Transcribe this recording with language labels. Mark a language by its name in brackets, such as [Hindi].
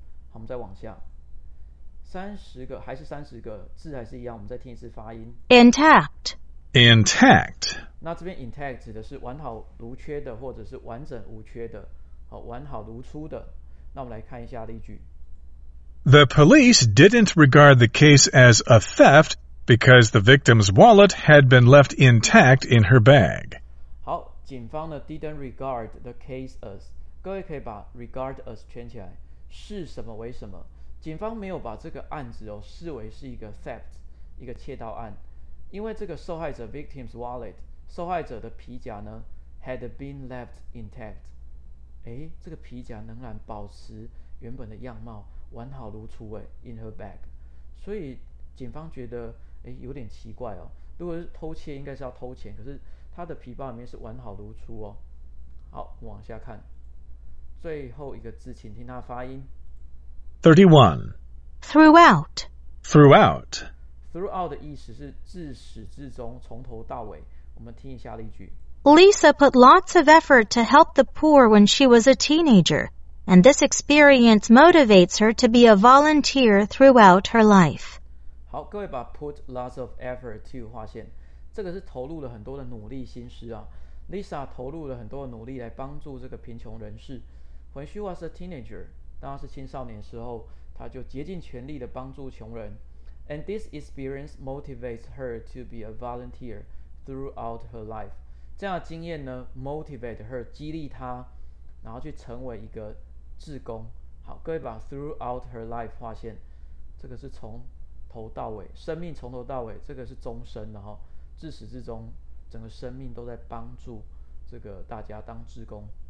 [Chinese] 好，我们再往下，30个字还是一样，我们再听一次发音。 [English] Intact Intact， [Chinese] 那这边 intact 指的是完好如缺的，或者是完整无缺的，好，完好如初的。那我们来看一下例句。 [English] The police didn't regard the case as a theft because the victim's wallet had been left intact in her bag. [Chinese] 好，警方呢 didn't regard the case as，各位可以把 regard as 圈起来，视什么为什么。警方没有把这个案子哦视为是一个 theft， 一个窃盗案，因为这个受害者 victim's wallet， 受害者的皮夹呢 had been left intact，诶，这个皮夹仍然保持原本的样貌，完好如初耶， in her bag。所以警方觉得有点奇怪哦，如果是偷窃应该是要偷钱，可是他的皮包里面是完好如初哦。好，往下看最后一个字，请听他的发音。 31 [English] Throughout Throughout [Chinese] Throughout 的意思是自始至终，从头到尾。我们听一下例句。 [English] Lisa put lots of effort to help the poor when she was a teenagerAnd this experience motivates her to be a volunteer throughout her life. [Chinese] 好，各位把 put lots of effort to 划线，这个是投入了很多的努力心思啊。 Lisa 投入了很多的努力来帮助这个贫穷人士。 When she was a teenager, 当她是青少年的时候，她就竭尽全力的帮助穷人。 [English] And this experience motivates her to be a volunteer throughout her life. [Chinese] 这样的经验呢 ， motivate her 激励她。然后去成为一个志工。好，各位把 throughout her life 划线，这个是从头到尾，生命从头到尾，这个是终身的，自始至终整个生命都在帮助这个大家当志工。